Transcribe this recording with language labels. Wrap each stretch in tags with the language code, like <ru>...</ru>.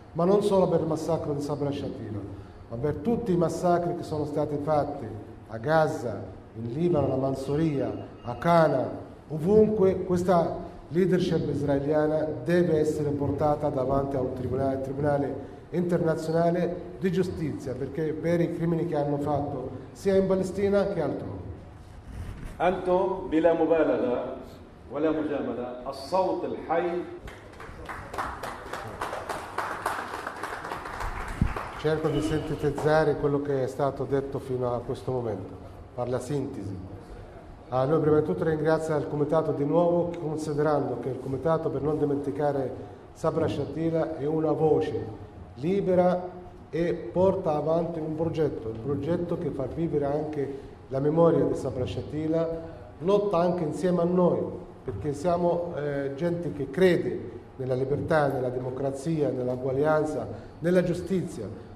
<it>ma non solo per il massacro di Sabra Shatila, ma per tutti i massacri che sono stati fatti a Gaza, in Libano, alla Mansoria, a Cana, ovunque. Questa leadership israeliana deve essere portata davanti a un tribunale, internazionale di giustizia, perché per i crimini che hanno fatto sia in Palestina che altrove.</it> <ar>Antum bila mubalagha ولا مجامله الصوت الحي</ar> <it>cerco di sintetizzare quello che è stato detto fino a questo momento per la sintesi. Noi prima di tutto ringrazio il comitato di nuovo, considerando che il comitato, per non dimenticare Sabra Shatila, è una voce libera e porta avanti un progetto, il progetto che fa vivere anche la memoria di Sabra Shatila, lotta anche insieme a noi, perché siamo gente che crede nella libertà, nella democrazia, nell'uguaglianza, nella giustizia.</it>